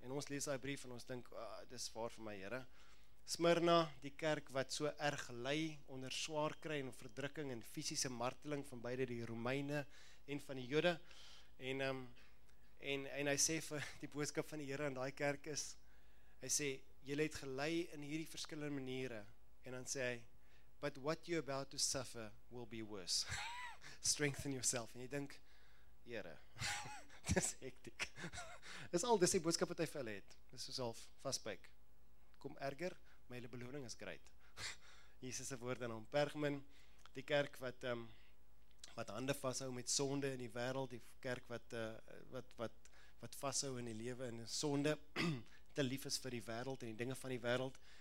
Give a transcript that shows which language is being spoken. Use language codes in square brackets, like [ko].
[af] En ons lees daai brief en ons dink, dis waar vir my Here. Smyrna, die kerk wat so erg ly onder swaar kry en verdrukking en fisiese marteling van beide die Romeine en van die Jode. En hy sê vir die boodskap van die Here aan daai kerk is, hy sê, julle het gely in hierdie verskillende maniere. En dan sê hy, [en] but what you're about to suffer will be worse. Strengthen yourself. [af] En jy dink, Here, dis hektiek. Dis die boodskap wat hy vir hulle het. Dis soos half vasbyk. kom erger, maar julle beloning is groot. Jesus se woorde aan hom Pergamon, die kerk wat wat hande vashou met sonde in die wêreld, die kerk wat wat vashou in die lewe in sonde, te lief is vir die wêreld en die dinge van die wêreld.